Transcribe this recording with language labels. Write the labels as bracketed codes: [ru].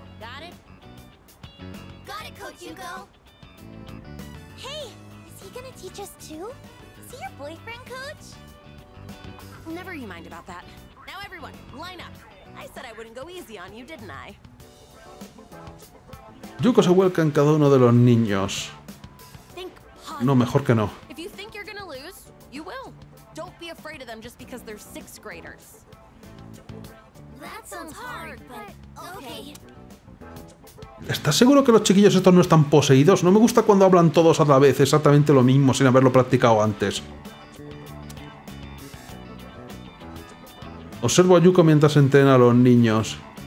[en] Got it? Got it, Coach Hugo. Hey. He's gonna teach us too? Is he your boyfriend, coach? Never you mind about that. Now everyone, line up. I said I wouldn't go easy on you, didn't I? [es] Yuko se vuelca en cada uno de los niños. [en] Think [es] no, mejor que no. [en] If you think you're gonna lose, you will. Don't be afraid of them just because they're sixth graders. That sounds hard, but okay. [es] ¿Estás seguro que los chiquillos estos no están poseídos? No me gusta cuando hablan todos a la vez exactamente lo mismo sin haberlo practicado antes. Observo a Yuko mientras entrena a los niños.